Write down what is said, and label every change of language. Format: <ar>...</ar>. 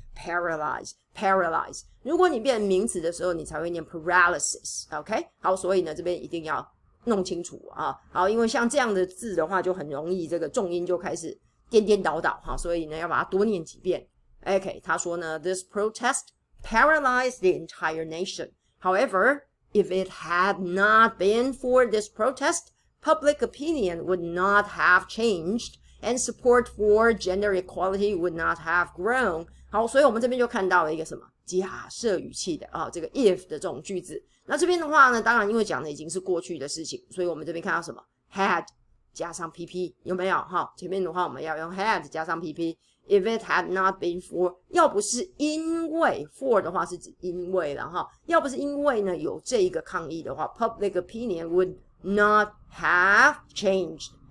<en>Paralyze, paralyze.</en> <zh>如果你变名词的时候，你才会念 paralysis. OK, 好，所以呢，这边一定要弄清楚啊。好，因为像这样的字的话，就很容易这个重音就开始颠颠倒倒哈。所以呢，要把它多念几遍。</zh> <en>OK,</en> <zh>他说呢</zh> <en>，this protest paralyzed the entire nation. However, if it had not been for this protest, public opinion would not have changed, and support for gender equality would not have grown.</en> <zh>好，所以我们这边就看到了一个什么假设语气的啊，这个 if 的这种句子。那这边的话呢，当然因为讲的已经是过去的事情，所以我们这边看到什么 had 加上 pp 有没有哈？前面的话我们要用 had 加上 pp。</zh> <en>If it had not been for，</en> <zh>要不是因为 for 的话是指因为了哈，要不是因为呢有这一个抗议的话 ，</zh> <en>public opinion would not have changed。</en>